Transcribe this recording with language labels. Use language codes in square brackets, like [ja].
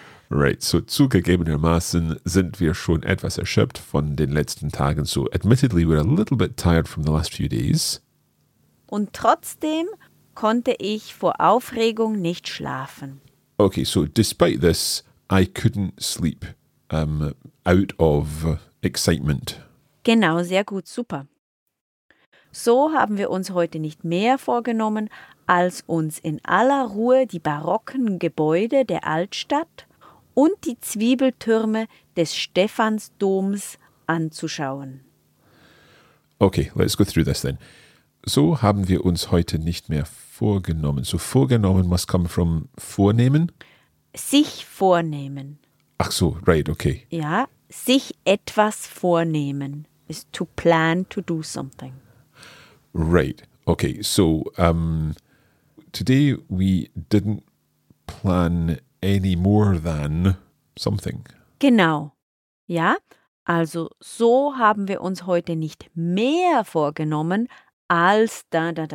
[en] Right, so [de] zugegebenermaßen sind wir schon etwas erschöpft von den letzten Tagen. [en] So admittedly, we're a little bit tired from the last few days. [de] Und trotzdem konnte ich vor Aufregung nicht schlafen. [en] Okay, so despite this, I couldn't sleep out of excitement. [de] Genau, sehr gut, super. So haben wir uns heute nicht mehr vorgenommen, als uns in aller Ruhe die barocken Gebäude der Altstadt und die Zwiebeltürme des Stephansdoms anzuschauen. [en] Okay, let's go through this then. [de] So haben wir uns heute nicht mehr vorgenommen. [en] So vorgenommen must come from vornehmen. [de] Sich vornehmen. Ach so, [en] right, okay. [de] Ja, sich etwas vornehmen [en] is to plan to do something. Right, okay. So today we didn't plan any more than something. [de] Genau, ja. Also so haben wir uns heute nicht mehr vorgenommen, als da.